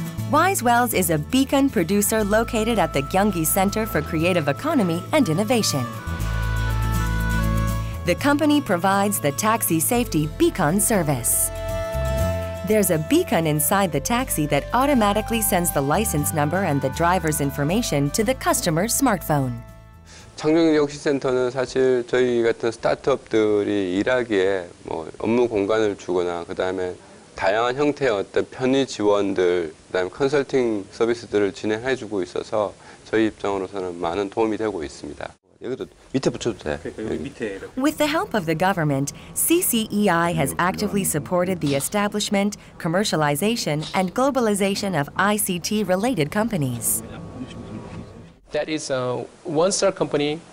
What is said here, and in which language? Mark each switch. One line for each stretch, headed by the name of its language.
English: Wise Wells is a beacon producer located at the Gyeonggi Center for Creative Economy and Innovation. The company provides the taxi safety beacon service. There's a beacon inside the taxi that automatically sends the license number and the driver's information to the customer's smartphone.
Korean: 청정역시센터는 사실 저희 같은 스타트업들이 일하기에 뭐 업무 공간을 주거나 그다음에 다양한 형태의 어떤 편의 지원들, 그다음에 컨설팅 서비스들을 진행해 주고 있어서 저희 입장으로서는 많은 도움이 되고 있습니다.
English: With the help of the government, CCEI has actively supported the establishment, commercialization, and globalization of ICT-related companies. That is a one-star company.